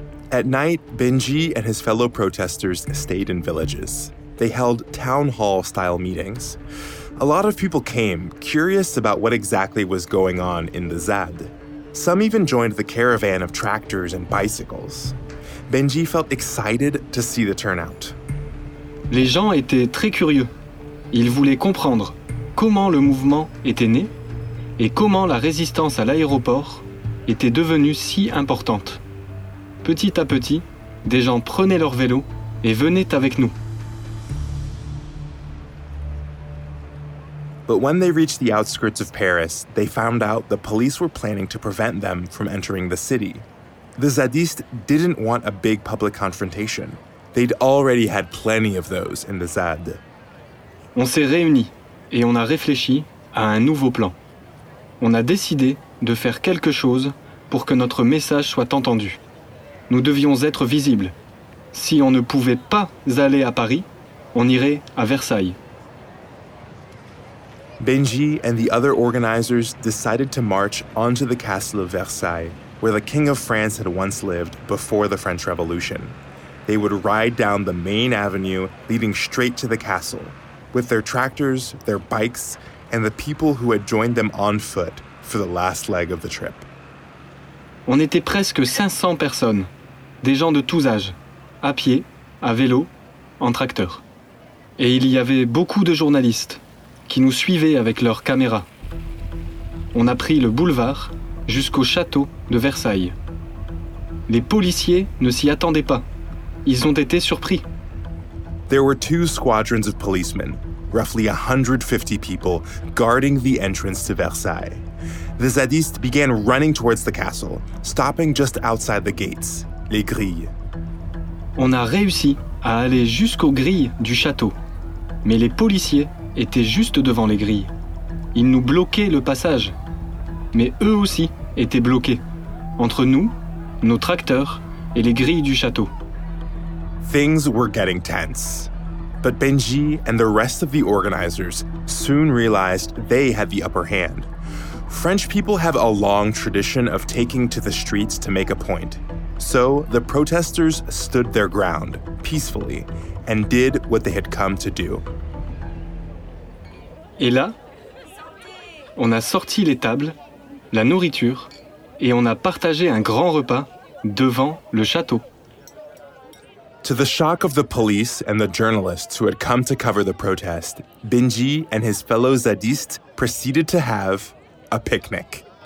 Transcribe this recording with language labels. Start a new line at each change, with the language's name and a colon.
English: At night, Benji and his fellow protesters stayed in villages. They held town hall-style meetings. A lot of people came, curious about what exactly was going on in the ZAD. Some even joined the caravan of tractors and bicycles. Benji felt excited to see the turnout.
French: Les gens étaient très curieux. Ils voulaient comprendre comment le mouvement était né et comment la résistance à l'aéroport était devenue si importante. Petit à petit, des gens prenaient leur vélo et venaient avec nous.
English: But when they reached the outskirts of Paris, they found out the police were planning to prevent them from entering the city. The Zadistes didn't want a big public confrontation. They'd already had plenty of those in the ZAD.
French: On s'est réunis et on a réfléchi à un nouveau plan. On a décidé de faire quelque chose pour que notre message soit entendu. Nous devions être visibles. Si on ne pouvait pas aller à Paris, on irait à Versailles.
English: Benji and the other organizers decided to march onto the castle of Versailles, where the King of France had once lived before the French Revolution. They would ride down the main avenue leading straight to the castle, with their tractors, their bikes, and the people who had joined them on foot for the last leg of the trip.
French: On était presque 500 personnes, des gens de tous âges, à pied, à vélo, en tracteur. Et il y avait beaucoup de journalistes qui nous suivaient avec leurs caméras. On a pris le boulevard jusqu'au château de Versailles. Les policiers ne s'y attendaient pas. Ils ont été surpris.
English: There were two squadrons of policemen, roughly 150 people, guarding the entrance to Versailles. The Zadistes began running towards the castle, stopping just outside the gates, les grilles.
French: On a réussi à aller jusqu'aux grilles du château, mais les policiers étaient juste devant les grilles. Ils nous bloquaient le passage, mais eux aussi étaient bloqués, entre nous, nos tracteurs et les grilles du château.
English: Things were getting tense. But Benji and the rest of the organizers soon realized they had the upper hand. French people have a long tradition of taking to the streets to make a point. So the protesters stood their ground, peacefully, and did what they had come to do.
French: Et là, on a sorti les tables, la nourriture, et on a partagé un grand repas devant le château.
English: To the shock of the police and the journalists who had come to cover the protest, Benji and his fellow Zadistes proceeded to have a picnic.